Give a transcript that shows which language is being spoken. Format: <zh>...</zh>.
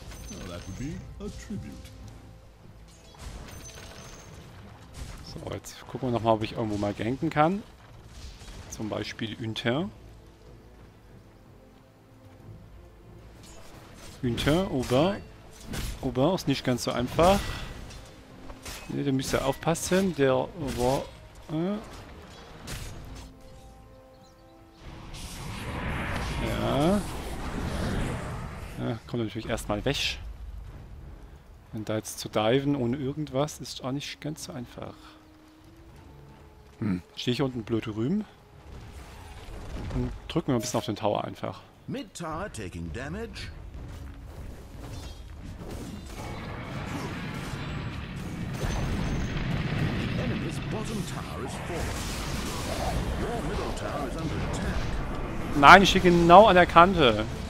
<en>Well, that would be a tribute.</en> <de>So, jetzt gucken wir nochmal, ob ich irgendwo mal ganken kann. Zum Beispiel Unter. Unter, Ober. Ober ist nicht ganz so einfach. Ne, da müsst ihr aufpassen. Der war. Kommt natürlich erstmal weg. Und da jetzt zu diven ohne irgendwas ist auch nicht ganz so einfach. Hm. Stehe ich unten blöd rüben? Dann drücken wir ein bisschen auf den Tower einfach.</de> <en>Mid Tower taking damage. The enemy's bottom tower is falling. Your middle tower is under attack.</en> <de>Nein, ich stehe genau an der Kante.</de>